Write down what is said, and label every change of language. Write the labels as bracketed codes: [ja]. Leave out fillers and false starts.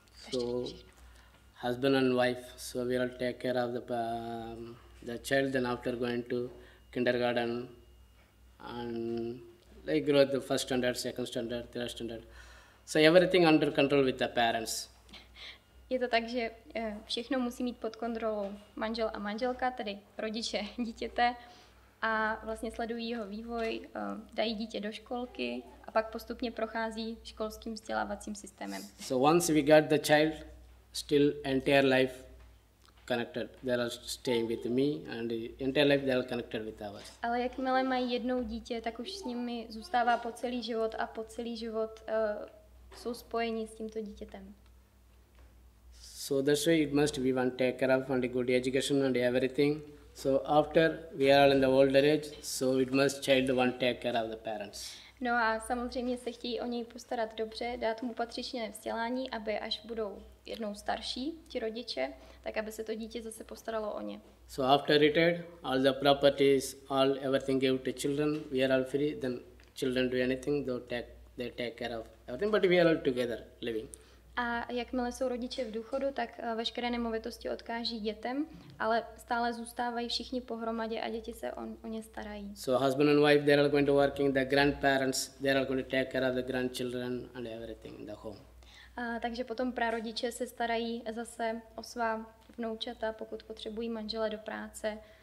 [en] So, husband and wife, so we all take care of the child, then after going to kindergarten and like grow the first standard, second standard, third standard. So everything under control with the parents. [cs] Je to tak, že všechno musí mít pod kontrolou manžel a manželka, tedy rodiče dítěte, a vlastně sledují jeho vývoj, dají dítě do školky a pak postupně prochází školským vzdělávacím systémem. [en] So once we got the child, still entire life connected. They are staying with me and entire life they are connected with us. [cs] Ale jakmile mají jednou dítě, tak už s nimi zůstává po celý život a po celý život jsou spojeni s tímto dítětem. [en] So that's why it must be one take care of and a good education and everything. So after we are all in the older age, so it must child one take care of the parents. [cs] No a samozřejmě se chtějí o něj postarat dobře, dát mu patřičné vzdělání, aby až budou jednou starší ti rodiče, tak aby se to dítě zase postaralo o ně. [en] So after retired, all the properties, all everything gave to children, we are all free, then children do anything, they take care of everything, but we are all together living. [cs] A jakmile jsou rodiče v důchodu, tak veškeré nemovitosti odkáží dětem, ale stále zůstávají všichni pohromadě a děti se o ně starají. [en] So husband and wife, they're all going to working, the grandparents, they're all going to take care of the grandchildren and everything in the home. [cs] A takže potom prarodiče se starají zase o svá vnoučata, pokud potřebují manžela do práce.